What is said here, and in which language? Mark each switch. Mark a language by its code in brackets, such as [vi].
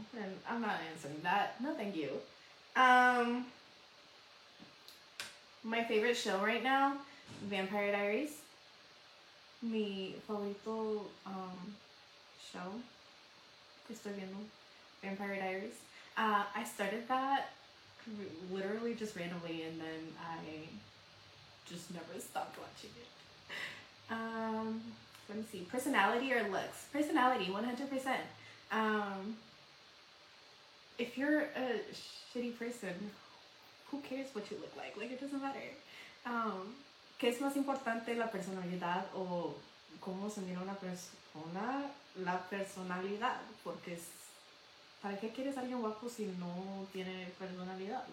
[en] And I'm not answering that. No, thank you. My favorite show right now, [es] Vampire Diaries. Mi favorito, show que estoy viendo, Vampire Diaries. [en] I started that literally just randomly and then I just never stopped watching it. Let me see, personality or looks? Personality, 100%. If you're a shitty person, who cares what you look like? Like, it doesn't matter. [es] ¿Qué es más importante, la personalidad o cómo se mira una persona? La personalidad, porque es, ¿para qué quieres a alguien guapo si no tiene personalidad?